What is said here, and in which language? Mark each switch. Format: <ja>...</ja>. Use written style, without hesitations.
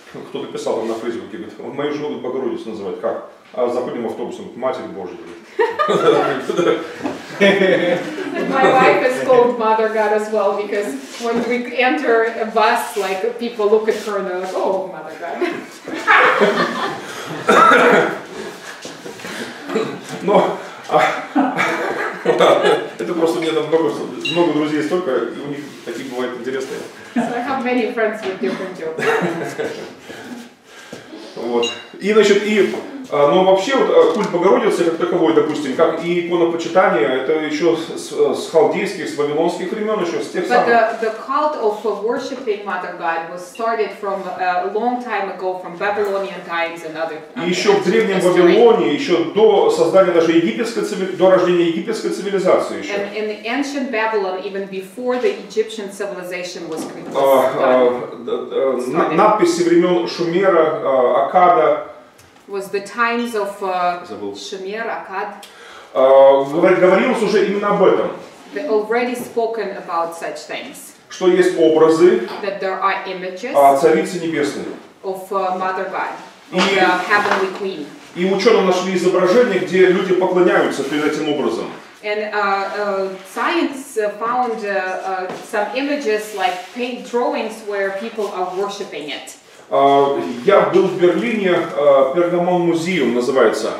<ru>Кто-то писал там на Фейсбуке, говорит, мою жену Богородицу называют, как? А заходим автобусом к Матери Божьей.</ru> <en>My wife is called Mother God as well, because when we enter a bus, like, people look at her and they're like, oh, Mother God.</en> <ru>Но это просто у меня там много друзей, столько, и у них такие бывают интересные.</ru> <en>So I have many friends with different jokes.</en> <ru>Вот. И, значит, и, но вообще вот, культ Богородицы как таковой, допустим, как и иконопочитание, это еще с халдейских, с вавилонских времен, еще с тех самых.</ru> <en>But the cult of worshiping Mother God was started from a long time ago, from Babylonian times and other.</en> <ru>И еще в древнем Вавилоне, еще до создания даже египетской цивилизации, до рождения египетской цивилизации еще.</ru> <en>And in the ancient Babylon, even before the Egyptian civilization was created.</en> <ru>Надписи времен Шумера, Аккада.</ru> <en>Was the times of Шумер, Аккад?</en> <ru>Говорилось уже именно об этом.</ru> <en>They already spoken about such things.</en> <ru>Что есть образы?</ru> <en>That there are images.</en> <ru>Царицы небесные.</ru> <en>Of Mother God. Of Heavenly Queen.</en> <ru>И ученые нашли изображение, где люди поклоняются перед этим образом.</ru> <en>And science found some images, like paint drawings, where people are worshiping it.</en> <ru>Я был в Берлине, Пергамон музеум называется.</ru>